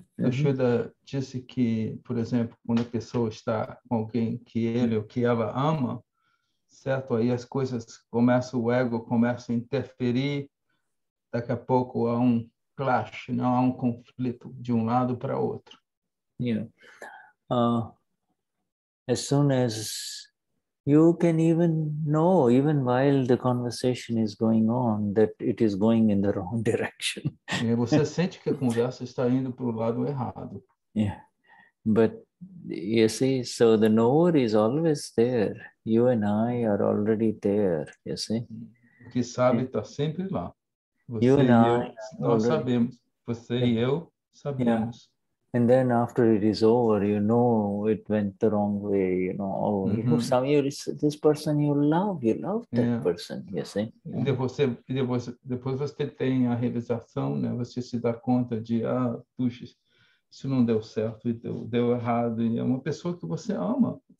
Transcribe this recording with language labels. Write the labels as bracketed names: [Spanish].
[Portuguese] Shuddha disse que, por exemplo, quando a pessoa está com alguém que ele ou que ela ama, certo? Aí as coisas começam, o ego começa a interferir. Daqui a pouco há um clash, não há um conflito de um lado para outro. [English] As soon as you can even know, even while the conversation is going on, that it is going in the wrong direction. [Portuguese] Você sente que a conversa está indo para o lado errado. [English] But you see, so the knower is always there. You and I are already there, you see. [Portuguese] Que sabe está sempre lá. Você e eu sabemos. [English] And then after it is over, you know it went the wrong way, you know. This person you love that person, you see. [Portuguese] Depois você tem a realização, né? Você se dá conta de, puxa, isso não deu certo, deu errado, e é uma pessoa que você ama.